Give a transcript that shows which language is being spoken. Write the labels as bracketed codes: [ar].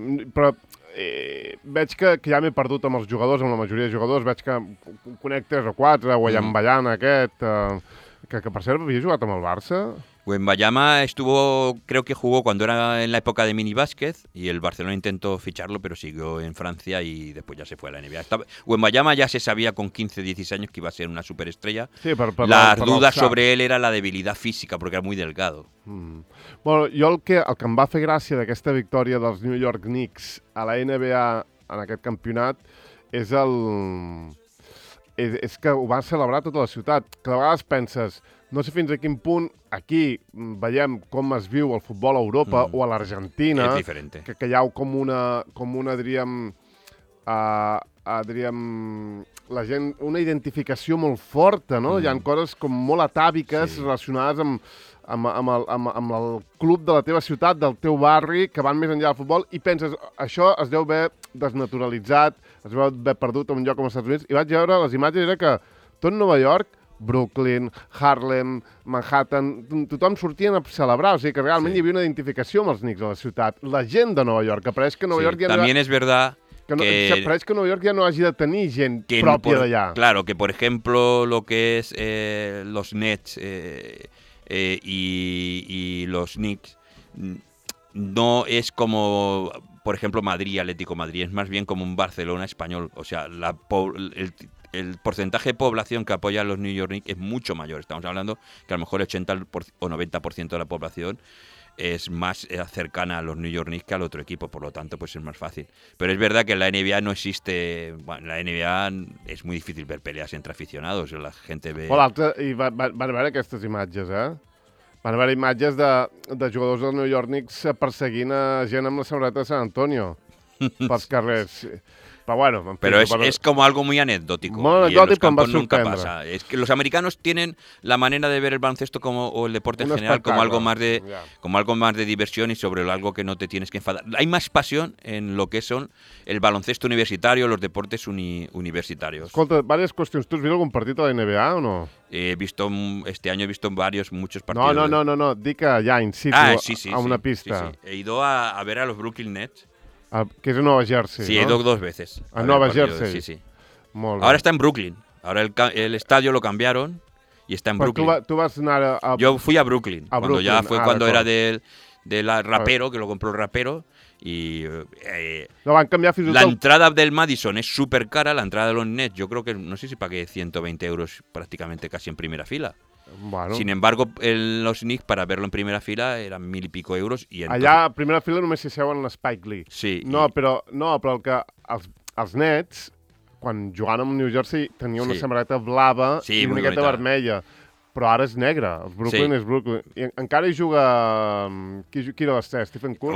[ca] Però veig que ja m'he perdut amb els jugadors, amb la majoria de jugadors. Veig que conec 3 o 4, Wembanyama aquest, que per cert havia jugat amb el Barça. [es] Wembanyama estuvo, creo que jugó cuando era en la época de Mini Vázquez, y el Barcelona intentó ficharlo, pero siguió en Francia y después ya se fue a la NBA. Wembanyama ya se sabía con 15, 16 años que iba a ser una superestrella. [ca] Sí, per [es] las dudas sobre él era la debilidad física, porque era muy delgado. [ca] Bueno, yo el que em va fer gràcia d'aquesta victòria dels New York Knicks a la NBA en aquest campionat és que ho va celebrar tota la ciutat. Que de vegades penses, no sé fins a quin punt aquí veiem com es viu el futbol a Europa o a l'Argentina. És diferent. Que hi ha com una, diríem, la gent, una identificació molt forta, no? Hi ha coses com molt atàviques, sí, relacionades amb el club de la teva ciutat, del teu barri, que van més enllà del futbol, i penses, això es deu haver desnaturalitzat, es deu haver perdut en un lloc com els Estats Units. I vaig veure les imatges, era que tot Nova York, Brooklyn, Harlem, Manhattan, tothom sortien a celebrar. O sigui que realment, sí, hi havia una identificació amb els Knicks a la ciutat. La gent de Nova York, que pareix que Nova, sí, York... Sí, també és verdad que... No, pareix que Nova York ja no hagi de tenir gent pròpia d'allà. [es] Claro, que por ejemplo lo que es los Nets y los Knicks no es como... Por ejemplo, Madrid, Atlético Madrid, es más bien como un Barcelona español. O sea, el porcentaje de población que apoya a los New York Knicks es mucho mayor. Estamos hablando que a lo mejor el 80% o 90% de la población es más cercana a los New York Knicks que al otro equipo. Por lo tanto, pues es más fácil. Pero es verdad que en la NBA no existe... Bueno, en la NBA es muy difícil ver peleas entre aficionados. La gente ve... Hola, y van a ver estas imágenes, ¿eh? [ca] Van haver imatges de jugadors del New York Knicks perseguint a gent amb la samarreta de San Antonio pels carrers. Però bueno, en fi, és com [es] algo muy anecdótico. [ca] Molt anecdòtic, que em va sorprendre. [es] Es que los americanos tienen la manera de ver el baloncesto o el deporte en general como algo más de, como algo más de diversión, y sobre algo que no te tienes que enfadar. Hay más pasión en lo que son el baloncesto universitario, los deportes universitarios. Escolta, varias cuestiones. ¿Tú has visto algún partido de la NBA o no? Este año he visto muchos partidos. [ca] No. Dic allà, in situ, sí, a una pista. [es] Sí. He ido a ver a los Brooklyn Nets. Que es de Nueva Jersey, sí, ¿no? He ido dos veces. A Nueva Jersey. Sí, sí. [ca] Molt [es] ahora [ca] bé. [es] Está en Brooklyn. Ahora el estadio lo cambiaron y está en [ca] Però [es] Brooklyn. [ca] Tú vas a anar a... [es] Yo fui a Brooklyn. A Brooklyn. Cuando Ya fue cuando era del rapero, que lo compró el rapero. Y [ca] no, van canviar fins i tot. [es] La entrada del Madison es súper cara, la entrada de los Nets. Yo creo que, no sé si pagué 120 euros prácticamente casi en primera fila. Bueno. Sin embargo, los Knicks, para verlo en primera fila, eran 1,000 y pico euros. Y entonces... [ca] Allà, a primera fila, només s'hi seuen les Spike Lee. Sí. No, però el que els Nets, quan jugaven amb New Jersey, tenien, sí, una samarreta blava, sí, i una miqueta vermella. Però ara és negre. El Brooklyn, sí, és Brooklyn. I encara hi juga... Qui era l'estrella? Stephen Curry?